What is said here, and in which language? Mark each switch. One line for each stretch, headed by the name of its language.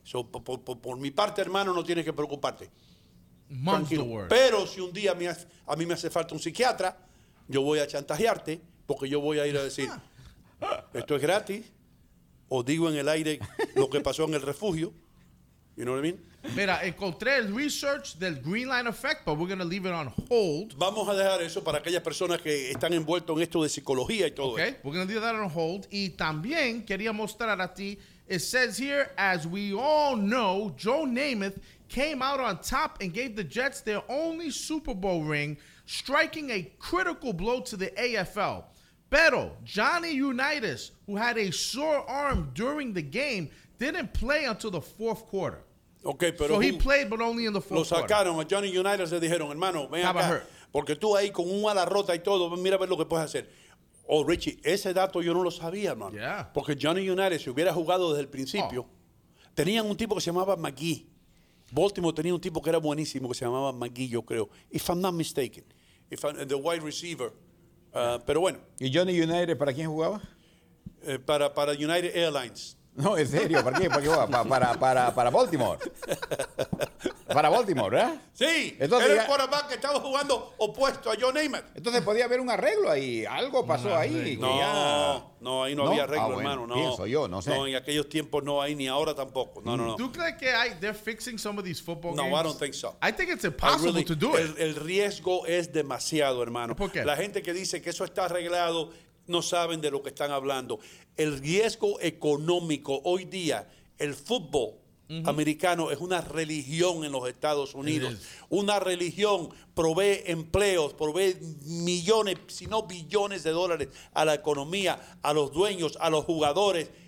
Spanish: So, por mi parte, hermano, no tienes que preocuparte. Tranquilo. Word. Pero si un día a mí me hace falta un psiquiatra, yo voy a chantajearte porque yo voy a ir a decir, esto es gratis, o digo en el aire lo que pasó en el refugio.
English: You know what I mean?
Spanish: Mira, encontré el research del
English: Green Line Effect, but we're going to leave it on hold.
Spanish: Vamos a dejar eso para aquellas personas que están envueltos en esto de psicología y todo.
English: Okay, we're going to leave that on hold.
Spanish: Y también quería mostrar a ti,
English: it says here, as we all know, Joe Namath came out on top and gave the Jets their only Super Bowl ring, striking a critical blow to the AFL.
Spanish: Pero
English: Johnny Unitas, who had a sore arm during the game, didn't play until the fourth quarter.
Spanish: Okay, pero
English: so he played, but only in the fourth quarter.
Spanish: Lo sacaron a Johnny Unitas, le dijeron, hermano, ven acá. Porque tú ahí con un ala rota y todo, mira a ver lo que puedes hacer. Oh, Richie, ese dato yo no lo sabía, hermano.
English: Yeah.
Spanish: Porque Johnny Unitas, si hubiera jugado desde el principio, tenían un tipo que se llamaba McGee. Baltimore tenía un tipo que era buenísimo, que se llamaba McGee, yo creo.
English: If I'm not mistaken. The wide receiver.
Spanish: Pero bueno. ¿Y Johnny Unitas para quién jugaba? Para United Airlines. No, en serio, ¿para qué? ¿Para qué? Para Baltimore. Para Baltimore, ¿verdad? Sí, entonces, era el quarterback que estaba jugando opuesto a Joe Namath. Entonces podía haber un arreglo ahí, algo pasó ahí. No, ahí no había arreglo, hermano, no. Pienso yo, no sé. No, en aquellos tiempos no hay, ni ahora tampoco. No, no, no. ¿Tú crees que
English: they're fixing some of these football games? No, I don't think so. I think it's impossible to do it.
Spanish: El riesgo es demasiado, hermano. ¿Por qué? La gente que dice que eso está arreglado, no saben de lo que están hablando. El riesgo económico hoy día, el fútbol uh-huh. americano es una religión en los Estados Unidos. Una religión, provee empleos, provee millones, si no billones de dólares a la economía, a los dueños, a los jugadores.